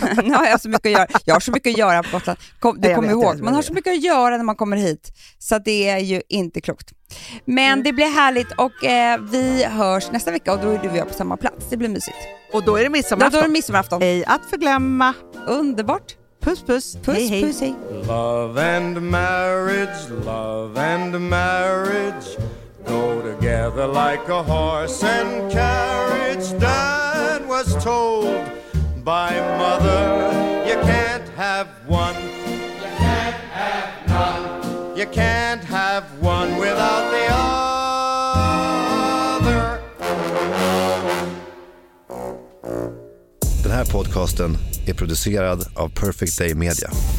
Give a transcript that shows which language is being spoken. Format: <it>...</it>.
<sv>Nu har jag så mycket att göra. Jag har så mycket att göra på Gotland. Man har så mycket att göra när man kommer hit. Så det är ju inte klokt. Men det blir härligt och vi hörs nästa vecka. Och då är du och jag på samma plats. Det blir mysigt. Och då är det midsommarafton. Då är det midsommarafton. Ej att förglömma. Underbart. Puss, puss. Puss, hej, puss, hej.</sv> <en>Love and marriage, love and marriage. Go together like a horse and carriage. Dad was told by mother, you can't have one, you can't have none, you can't have one without the other.</en> <sv>Den här podcasten är producerad av Perfect Day Media.</sv>